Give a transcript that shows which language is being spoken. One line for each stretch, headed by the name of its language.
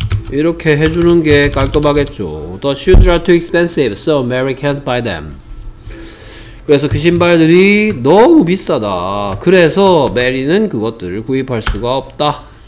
Korean: 이렇게 해주는 게 깔끔하겠죠.
English: The shoes are too expensive, so Mary can't buy them.
Korean: 그래서 그 신발들이 너무 비싸다. 그래서 메리는 그것들을 구입할 수가 없다.